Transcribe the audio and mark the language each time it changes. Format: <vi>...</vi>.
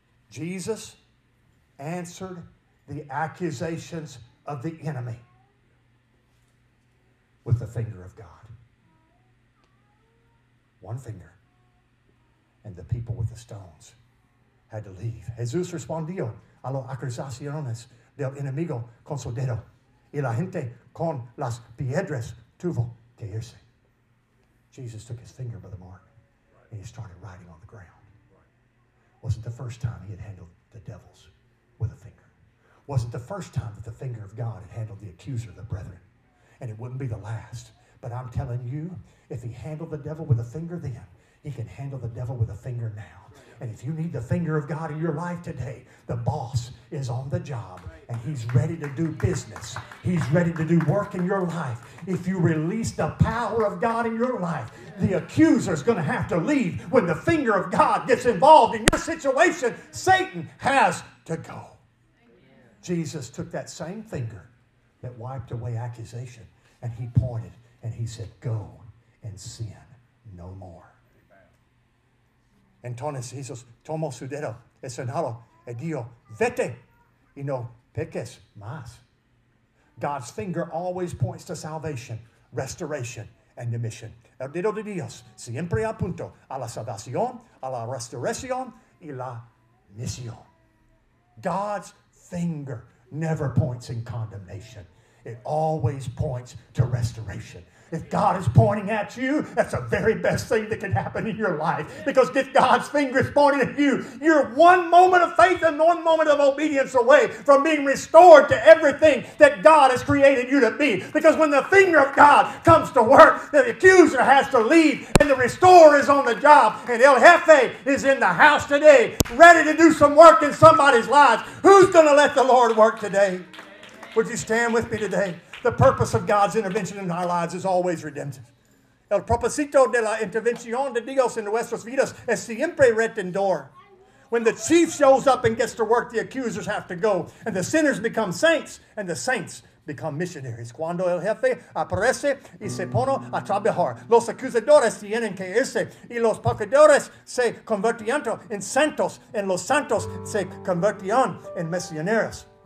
<en>Jesus answered the accusations of the enemy with the finger of God. One finger. And the people with the stones had to leave.</en> <es>Jesús respondió a las acusaciones del enemigo con su dedo. Y la gente con las piedras tuvo que irse.</es> <en>Jesus took his finger by the mark and he started writing on the ground. Wasn't the first time he had handled the devils with a finger. Wasn't the first time that the finger of God had handled the accuser of the brethren. And it wouldn't be the last. But I'm telling you, if he handled the devil with a finger then, he can handle the devil with a finger now. And if you need the finger of God in your life today, the boss is on the job and he's ready to do business. He's ready to do work in your life. If you release the power of God in your life, the accuser is going to have to leave when the finger of God gets involved in your situation. Satan has to go. Jesus took that same finger that wiped away accusation and he pointed and he said, go and sin no more.</en> <es>Entonces Jesús tomó su dedo y señaló y dijo, vete y no peques más.</es> <en>God's finger always points to salvation, restoration, and the mission.</en> <es>El dedo de Dios siempre apunta a la salvación, a la restauración y la misión.</es> <en>God's finger never points in condemnation. It always points to restoration. If God is pointing at you, that's the very best thing that can happen in your life. Because if God's finger is pointing at you, you're one moment of faith and one moment of obedience away from being restored to everything that God has created you to be. Because when the finger of God comes to work, the accuser has to leave and the restorer is on the job. And El Jefe is in the house today, ready to do some work in somebody's lives. Who's going to let the Lord work today? Would you stand with me today? The purpose of God's intervention in our lives is always redemptive.</en> <es>El propósito de la intervención de Dios en nuestras vidas es siempre redentor.</es> <en>When the chief shows up and gets to work, the accusers have to go. And the sinners become saints, and the saints become missionaries.</en> <es>Cuando el jefe aparece y se pone a trabajar, los acusadores tienen que irse, y los pecadores se convertían en santos, y los santos se convertían en misioneros.</es>